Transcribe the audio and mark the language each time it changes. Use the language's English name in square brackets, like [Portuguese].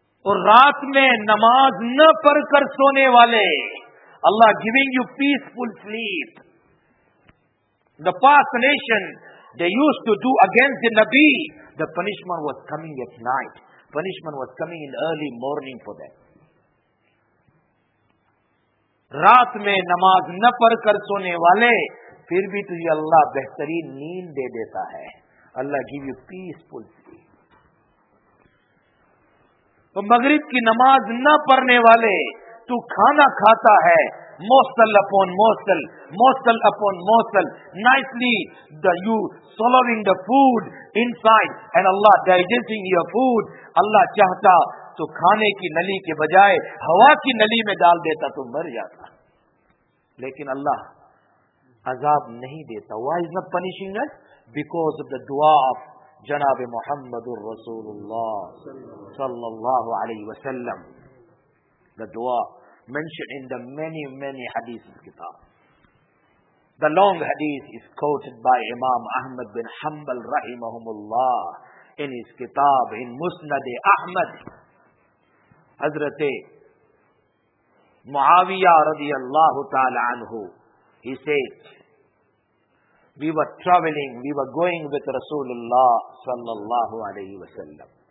[Urdu] اور رات میں نماز نہ پڑھ کر سونے والے [English] Allah giving you peaceful sleep. The past nation, they used to do against the Nabi. The punishment was coming at night. Punishment was coming in early morning for them. [Urdu] رات میں نماز نہ پڑھ کر سونے والے پھر بھی تجھے اللہ بہترین نیند دے دیتا ہے. اللہ [English] give you peaceful sleep. [Urdu] تو مغرب کی نماز نہ پڑھنے والے تو کھانا کھاتا ہے [English] Morsel upon morsel nicely you swallowing the food inside and Allah digesting your food. [Urdu] اللہ چاہتا تو کھانے کی نلی کے بجائے ہوا کی نلی میں ڈال دیتا تو مر جاتا. لیکن اللہ عذاب نہیں دیتا. [English] Why is not punishing us? Because of the dua of جناب محمد الرسول اللہ صلی اللہ علیہ وسلم. The dua mentioned in the many many hadiths of kitab. The long hadith is quoted by Imam Ahmad bin Hanbal rahimahumullah in his kitab in Musnad Ahmad. Hazrat Muawiyah radiallahu ta'ala anhu, he said, we were going with Rasulullah sallallahu alayhi wa sallam.